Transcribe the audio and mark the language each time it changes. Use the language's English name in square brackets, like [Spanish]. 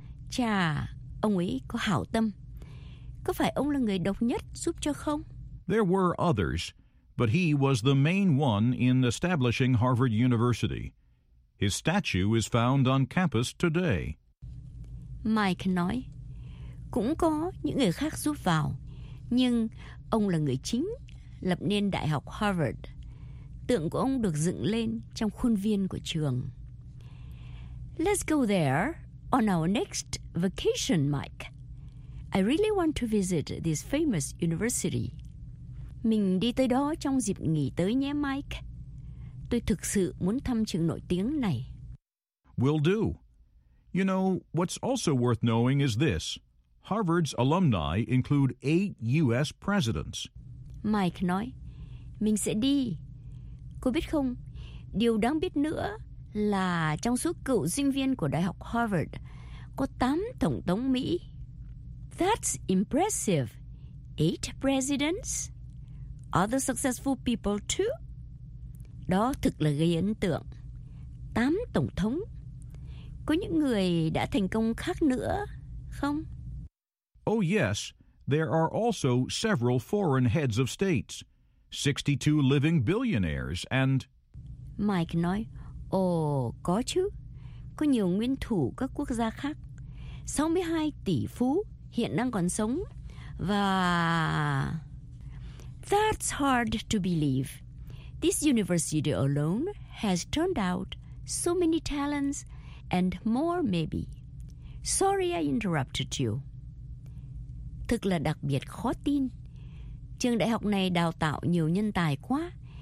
[Vietnamese] Chà, ông ấy có hảo tâm. Có phải ông là người độc nhất giúp cho không? [English] There were others, but he was the main one in establishing Harvard University. His statue is found on campus today. [Vietnamese] Mike nói, cũng có những người khác giúp vào, nhưng ông là người chính lập nên Đại học Harvard. Tượng của ông được dựng lên trong khuôn viên của trường. [English] Let's go there on our next vacation, Mike. I really want to visit this famous university. [Vietnamese] Mình đi tới đó trong dịp nghỉ tới nhé, Mike. Tôi thực sự muốn thăm trường nổi tiếng này. [English] Will do. You know, what's also worth knowing is this. Harvard's alumni include 8 U.S. presidents. [Vietnamese] Mike nói, mình sẽ đi. Cô biết không, điều đáng biết nữa là trong số cựu sinh viên của Đại học Harvard, có 8 tổng thống Mỹ. [English] That's impressive. 8 presidents? Other successful people too? [Vietnamese] Đó thực là gây ấn tượng. 8 tổng thống. Có những người đã thành công khác nữa, không? [English] Oh yes, there are also several foreign heads of states, 62 living billionaires, and... [Vietnamese] Mike nói, có chứ, có nhiều nguyên thủ các quốc gia khác, 62 tỷ phú hiện đang còn sống, và... [English] That's hard to believe. This university alone has turned out so many talents... And more, maybe. Sorry I interrupted you. [Vietnamese] Thực là đặc biệt khó tin. Trường đại học này đào tạo nhiều nhân tài quá.